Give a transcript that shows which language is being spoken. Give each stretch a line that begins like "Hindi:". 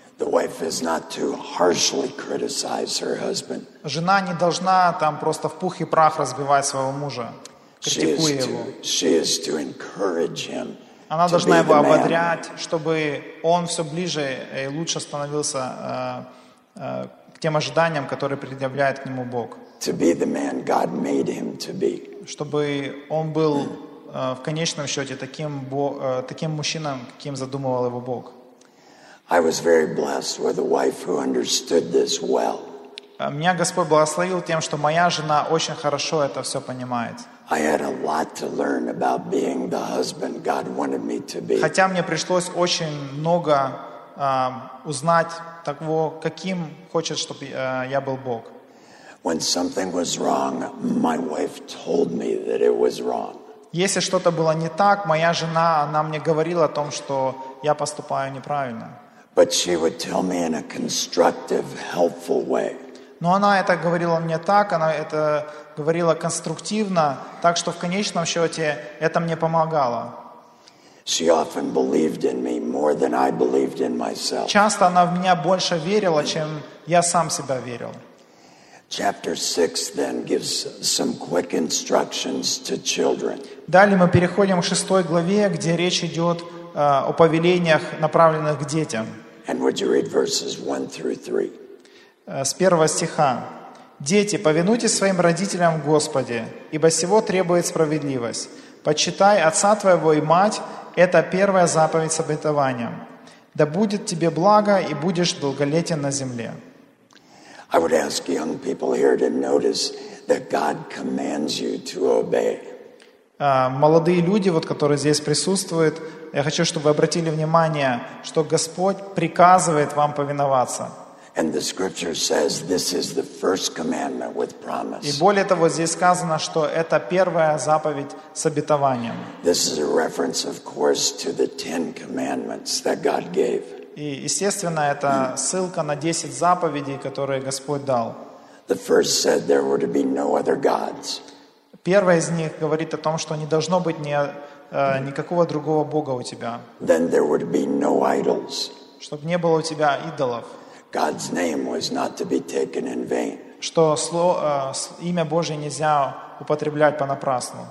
English: The wife is not to harshly criticize her husband.
Russian: Жена не должна там просто в пух и прах разбивать своего мужа, критикуя его.
English: She is to encourage him.
Russian: Она должна его ободрять, чтобы он все ближе и лучше становился к тем ожиданиям, которые предъявляет к нему Бог.
English: To be the man God made him to be.
Russian: Чтобы он был в конечном счете таким, таким мужчиной, каким задумывал его Бог.
English: I was very blessed with a wife who understood this well.
Russian: Меня Господь благословил тем, что моя жена очень хорошо это все понимает.
English: I had a lot to learn about being the husband God wanted me to be.
Russian: Хотя мне пришлось очень много узнать того, каким хочет, чтобы я был Бог.
English: When something was wrong, my wife told me that it was wrong.
Russian: Если что-то было не так, моя жена, она мне говорила о том, что я поступаю неправильно.
English: But she would tell me in a constructive, helpful way.
Russian: Но она это говорила мне так, она это говорила конструктивно, так что в конечном счете это мне помогало.
English: She often believed in me more than I believed in myself.
Russian: Часто она в меня больше верила, чем я сам себя верил.
English: Chapter 6 then gives some quick instructions to children.
Russian: Далее мы переходим к шестой главе, где речь идет о повелениях, направленных к детям.
English: And would you read verses 1 through 3?
Russian: С первого стиха. «Дети, повинуйтесь своим родителям в Господе, ибо сего требует справедливость. Почитай отца твоего и мать, это первая заповедь с обетованием. Да будет тебе благо, и будешь долголетен на земле».
English: I would ask young people here to notice that God commands you to obey.
Russian: Молодые люди, вот, которые здесь присутствуют, я хочу, чтобы вы обратили внимание, что Господь приказывает вам повиноваться.
English: And the scripture says this is the first commandment with promise.
Russian: И более того, здесь сказано, что это первая заповедь с обетованием.
English: This is a reference, of course, to the Ten Commandments that God gave.
Russian: И, естественно, это ссылка на 10 заповедей, которые Господь дал.
English: The first said there were to be no other gods.
Russian: Первая из них говорит о том, что не должно быть никакого другого Бога у тебя.
English: Then there were to be no idols.
Russian: Чтобы не было у тебя идолов.
English: God's name was not to be taken in vain.
Russian: Что имя Божье нельзя употреблять понапрасну.